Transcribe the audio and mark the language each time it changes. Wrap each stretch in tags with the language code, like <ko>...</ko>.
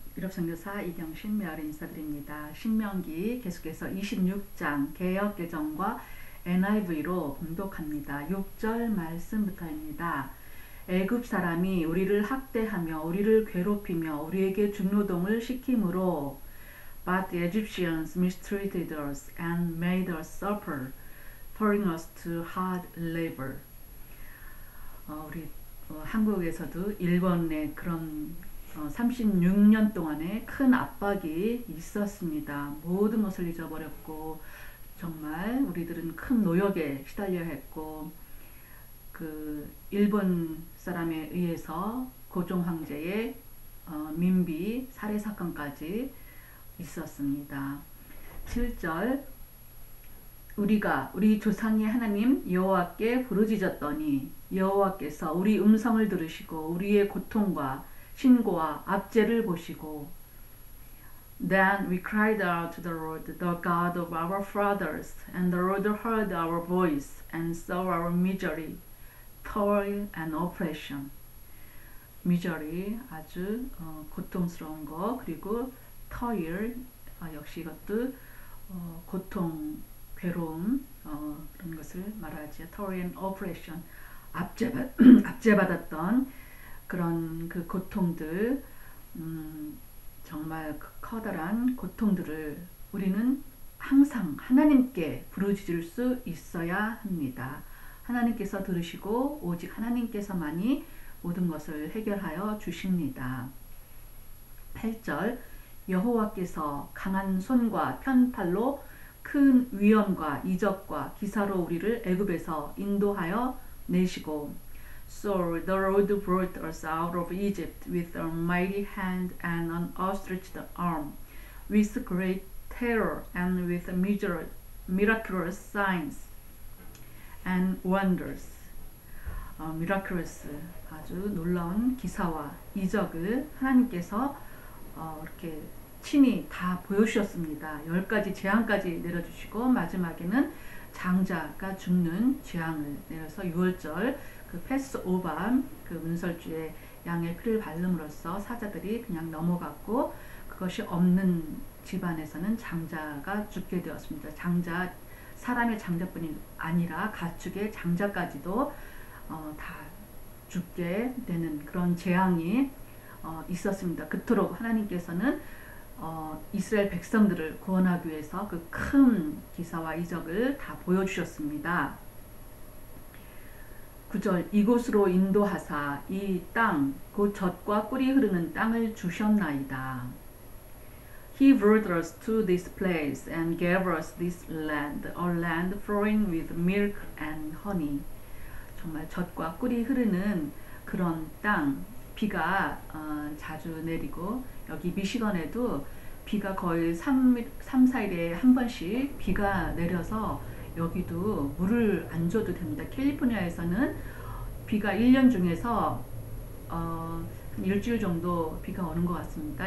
<ko>유럽 선교사 이경신 메아리 인사드립니다. 신명기 계속해서 26장 개역개정과 NIV로 봉독합니다. 6절 말씀부터입니다. 애굽 사람이 우리를 학대하며 우리를 괴롭히며 우리에게 종노동을 시킴으로</ko> <en>But the Egyptians mistreated us and made us suffer, throwing us to hard labor.</en> <ko>한국에서도 일본에 그런 36년 동안의 큰 압박이 있었습니다. 모든 것을 잊어버렸고, 정말 우리들은 큰 노역에 시달려 했고, 일본 사람에 의해서 고종 황제의 민비 살해 사건까지 있었습니다. 7절, 우리가 우리 조상의 하나님 여호와께 부르짖었더니, 여호와께서 우리 음성을 들으시고, 우리의 고통과 신고와 압제를 보시고,</ko> <en>Then we cried out to the Lord, the God of our fathers, and the Lord heard our voice and saw our misery, toil and oppression.</en> <ko>Misery, 아주 고통스러운 거, 그리고 toil, 역시 이것도 고통, 괴로움, 그런 것을 말하지요.</ko> <en>Toil and oppression,</en> <ko>압제받았던 그런 그 고통들, 정말 그 커다란 고통들을 우리는 항상 하나님께 부르짖을 수 있어야 합니다. 하나님께서 들으시고 오직 하나님께서만이 모든 것을 해결하여 주십니다. 8절, 여호와께서 강한 손과 편팔로 큰 위엄과 이적과 기사로 우리를 애굽에서 인도하여 내시고</ko> <en>So the Lord brought us out of Egypt with a mighty hand and an outstretched arm, with great terror and with miraculous signs and wonders.</en> <ko>Miraculous, 아주 놀라운 기사와 이적을 하나님께서 이렇게 친히 다 보여주셨습니다. 열 가지 재앙까지 내려주시고 마지막에는 장자가 죽는 재앙을 내려서 유월절 그 패스오밤 그 문설주에 양의 피를 발름으로써 사자들이 그냥 넘어갔고 그것이 없는 집안에서는 장자가 죽게 되었습니다. 장자 사람의 장자뿐이 아니라 가축의 장자까지도 다 죽게 되는 그런 재앙이 있었습니다. 그토록 하나님께서는 이스라엘 백성들을 구원하기 위해서 그큰 기사와 이적을 다 보여주셨습니다. 9절, 이곳으로 인도하사 이 땅, 곧 젖과 꿀이 흐르는 땅을 주셨나이다.</ko> <en>He brought us to this place and gave us this land, a land flowing with milk and honey.</en> <ko>정말 젖과 꿀이 흐르는 그런 땅, 비가 자주 내리고, 여기 미시건에도 비가 거의 3, 4일에 한 번씩 비가 내려서 여기도 물을 안 줘도 됩니다. 캘리포니아에서는 비가 1년 중에서 일주일 정도 비가 오는 것 같습니다.</ko>